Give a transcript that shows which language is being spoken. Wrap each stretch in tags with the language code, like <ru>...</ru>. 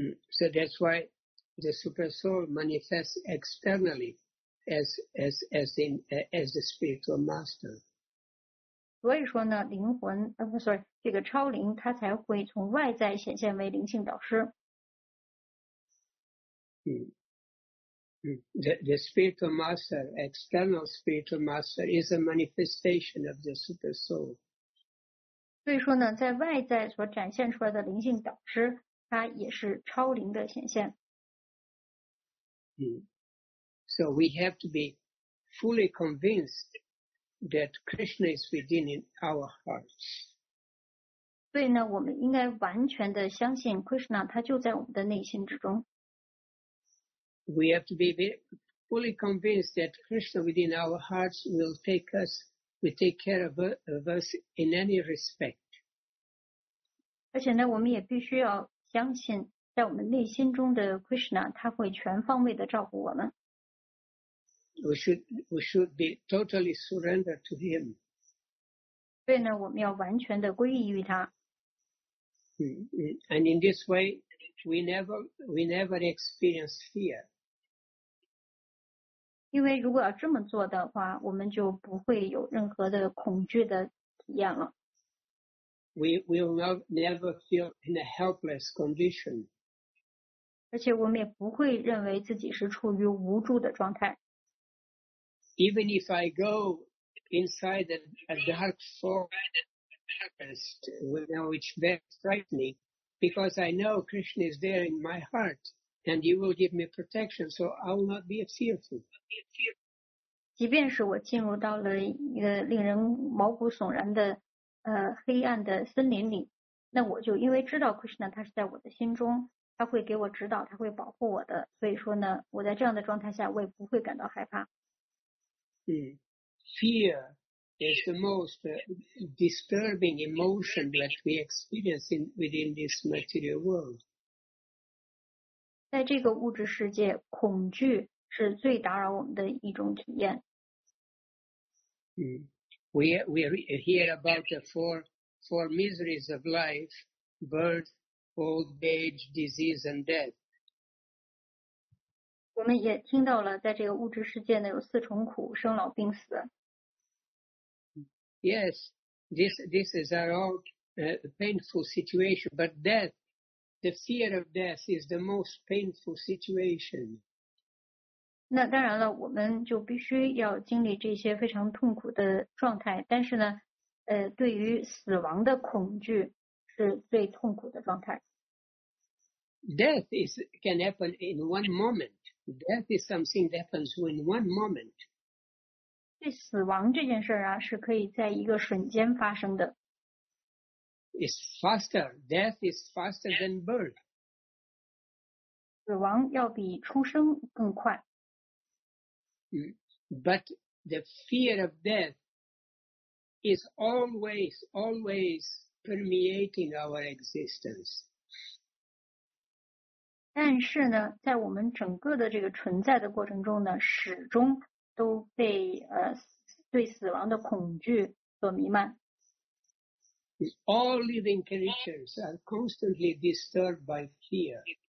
<en>So that's why the super soul manifests externally as the spiritual master.</en> <zh>所以说呢，灵魂这个超灵它才会从外在显现为灵性导师。</zh> <en>The spiritual master, external spiritual master, is a manifestation of the super soul.</en> <zh>所以说呢，在外在所展现出来的灵性导师，它也是超灵的显现。</zh> <en>So we have to be fully convinced that Krishna is within our hearts.</en> <zh>所以呢，我们应该完全的相信 Krishna， 它就在我们的内心之中。</zh> <en>We have to be fully convinced that Krishna within our hearts will take care of us in any respect.</en> <zh>而且呢，我们也必须要相信在我们内心中的 Krishna 他会全方位的照顾我们。</zh> <en>We should be totally surrendered to him.</en> <zh>所以呢，我们要完全的归依于他。</zh> <en>And in this way, we never experience fear.</en> <zh>因为如果要这么做的话，我们就不会有任何的恐惧的体验了。</zh> <en>We will never feel in a helpless condition.</en> <zh>而且我们也不会认为自己是处于无助的状态。</zh> <en>Even if I go inside a dark forest, which is very frightening, because I know Krishna is there in my heart, and you will give me protection, so I will not be fearful.</en> <zh>即便是我进入到了一个令人毛骨悚然的黑暗的森林里，那我就因为知道 Krishna 他是在我的心中，他会给我指导，他会保护我的，所以说呢，我在这样的状态下，我也不会感到害怕。</zh> <en>Fear is the most disturbing emotion that we experience within this material world.</en> <zh>在这个物质世界，恐惧是最打扰我们的一种体验。</zh> <en>We hear about the four miseries of life: birth, old age, disease, and death.</en> <zh>我们也听到了，在这个物质世界呢，有四重苦：生老病死。</zh> <en>Yes, this is our all painful situation. But death, the fear of death, is the most painful situation.</en> <zh>那当然了，我们就必须要经历这些非常痛苦的状态。但是呢，对于死亡的恐惧是最痛苦的状态。</zh> <en>Death can happen in one moment. Death is something that happens in one moment.</en> <zh>对死亡这件事啊，是可以在一个瞬间发生的。</zh> <en>It's faster. Death is faster than birth.</en> <zh>死亡要比出生更快。</zh> <en>But the fear of death is always permeating our existence.</en> <zh>但是呢，在我们整个的这个存在的过程中呢，始终都被对死亡的恐惧所弥漫。</zh> <en>All living creatures are constantly disturbed by fear.</en>